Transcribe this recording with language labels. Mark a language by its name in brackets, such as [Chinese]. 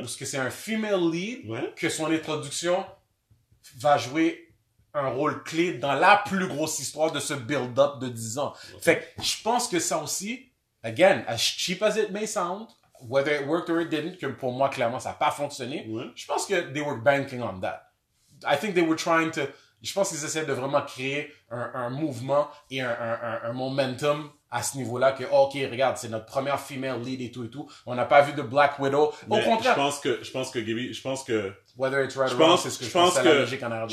[French] parce que c'est un female lead ouais. que son introduction va jouer un rôle clé dans la plus grosse histoire de ce build-up de 10 ans. Ouais. Fait que je pense que ça aussi, [English] again, as cheap as it may sound, whether it worked or it didn't, [French] que pour moi, clairement, ça n'a pas fonctionné. Ouais. Je pense que [English] they were banking on that. I think they were trying to... [French] Je pense qu'ils essaient de vraiment créer un mouvement et un momentum à ce niveau-là que, OK, regarde, c'est notre première female lead et tout. On n'a pas vu de Black Widow. Mais au contraire. Je pense que, Gabby, je pense que... [English] Whether it's right or wrong, [French] c'est ce que je pense que c'est la logique en arrière de